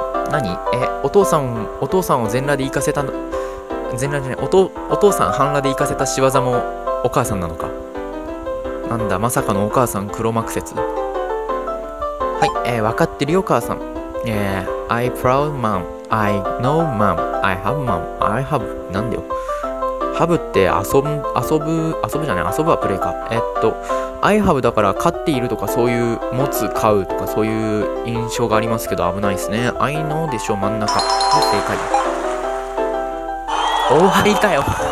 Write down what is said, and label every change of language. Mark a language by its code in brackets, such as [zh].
[ja] 何？え、お父さんを全裸で行かせた、全裸じゃない、お父さん半裸で行かせた仕業もお母さんなのか。なんだ、まさかのお母さん黒幕説。はい、分かってるよ母さん。 [en] I proud mom, I know mom, I have mom, I have、 [ja] なんだよ。ハブって遊ぶじゃない、遊ぶはプレイか。 [en] I have [ja] だから飼っているとかそういう持つ飼うとかそういう印象がありますけど危ないですね。 [en] I know [ja] でしょ、真ん中。正解。終わりかよ